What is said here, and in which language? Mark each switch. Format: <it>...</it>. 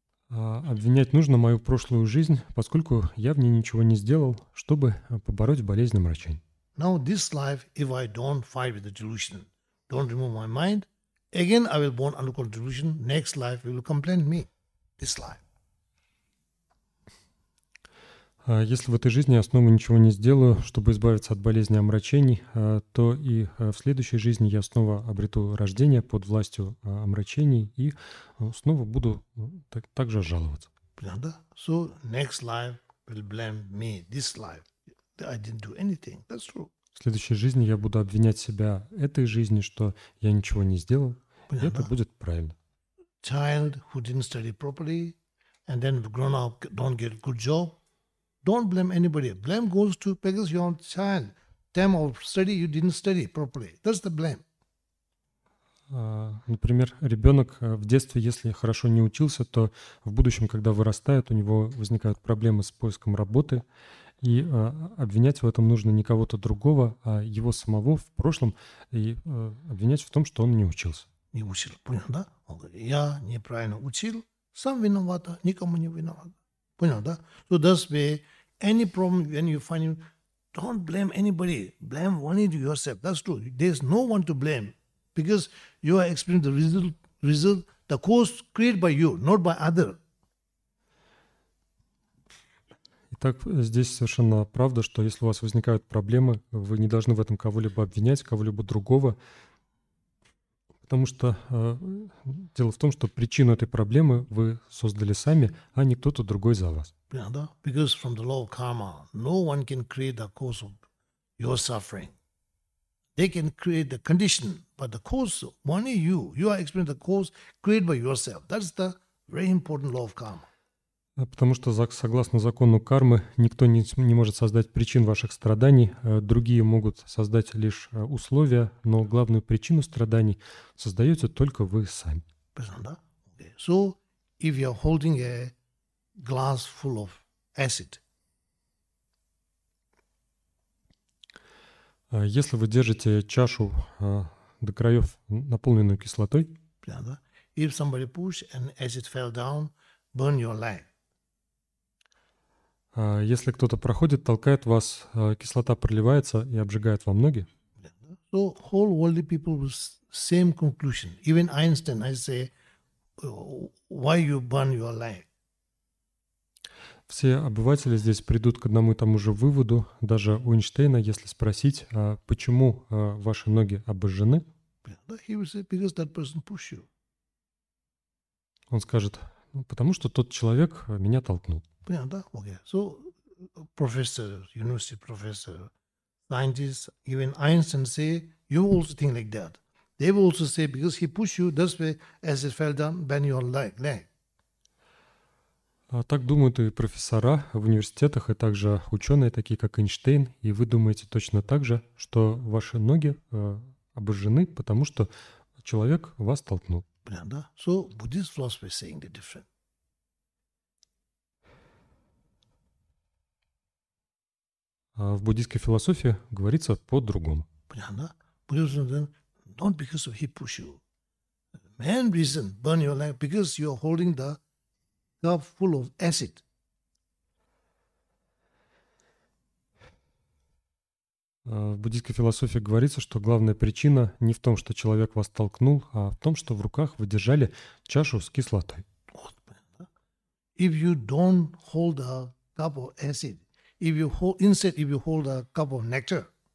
<ru>Обвинять нужно мою прошлую жизнь, поскольку я в ней ничего не сделал, чтобы побороть болезнь омрачений.</ru> <en>Now this life, if I don't fight with the delusion, don't remove my mind, again I will born under control of delusion. Next life will complain me. This life.</en> <ru>Если в этой жизни я снова ничего не сделаю, чтобы избавиться от болезни омрачений, то и в следующей жизни я снова обрету рождение под властью омрачений и снова буду так же жаловаться.</ru> <en>So next life will blame me, this life. I didn't do anything. That's true.</en> <ru>В следующей жизни я буду обвинять себя этой жизни, что я ничего не сделал. И это будет правильно.</ru> <en>Child who didn't study properly and then grown up don't get good job. Don't blame anybody. Blame goes to because your child, time of study, you didn't study properly. That's the blame.</en> <ru>Например, ребенок в детстве, если хорошо не учился, то в будущем, когда вырастает, у него возникают проблемы с поиском работы. И обвинять в этом нужно не кого-то другого, а его самого в прошлом, и обвинять в том, что он не учился. Не учил, понял, да? Он говорит, я неправильно учил, сам виноват, никому не виноват. Понял, да?</ru> <en>So that's where any problem when you find him, don't blame anybody. Blame only yourself. That's true. There's no one to blame because you are experiencing the result, the cause created by you, not by other.</en> <ru>Итак, здесь совершенно правда, что если у вас возникают проблемы, вы не должны в этом кого-либо обвинять, кого-либо другого. Потому что дело в том, что причину этой проблемы вы создали сами, а не кто-то другой за вас.</ru> <en>Because from the law of karma, no one can create the cause of your suffering. They can create the condition, but the cause only you. You are experiencing the cause created by yourself. That's the very important law of karma.</en> <ru>Потому что согласно закону кармы, никто не может создать причин ваших страданий. Другие могут создать лишь условия, но главную причину страданий создаете только вы сами.</ru> <en>So, if you are holding a glass full of acid.</en> <ru>Если вы держите чашу до краев, наполненную кислотой,</ru> <en>if somebody push and acid fell down, burn your leg.</en> <ru>Если кто-то проходит, толкает вас, кислота проливается и обжигает вам ноги.</ru> <en>So whole worldly people was same conclusion. Even Einstein, I say, why you burn your leg?</en> <ru>Все обыватели здесь придут к одному и тому же выводу. Даже у Эйнштейна, если спросить, почему ваши ноги обожжены,</ru> <en>he will say, because that person pushed you.</en> <ru>Он скажет, потому что тот человек меня толкнул.</ru> <en>Okay. So, professor, university professor, scientists, even Einstein say, you also think like that. They will also say, because he pushed you, that's why, as it fell down, bend your leg.</en> <ru>Так думают и профессора в университетах, и также ученые, такие как Эйнштейн, и вы думаете точно так же, что ваши ноги обожжены, потому что человек вас толкнул.</ru> <en>Buddha. So Buddhist philosophy is saying the different.</en> <ru>А в буддийской философии говорится по-другому. Понятно?</ru> <en>Buddhism then not because of he push you. Main reason burn your life because you are holding the cup full of acid.</en> <ru>В буддийской философии говорится, что главная причина не в том, что человек вас толкнул, а в том, что в руках вы держали чашу с кислотой.</ru> <en>If you don't hold a cup of acid, if you hold, instead if you hold a cup of nectar.</en>